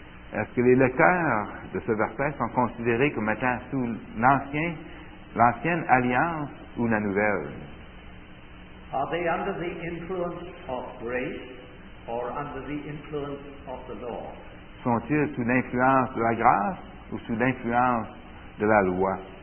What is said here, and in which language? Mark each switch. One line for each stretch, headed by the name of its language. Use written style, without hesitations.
French: Est-ce que les lecteurs de ce verset sont considérés comme étant sous l'ancienne alliance ou la nouvelle?
English: Are they under the influence of grace or under the influence of the law?
French: Sont-ils sous l'influence de la grâce ou sous l'influence de la loi?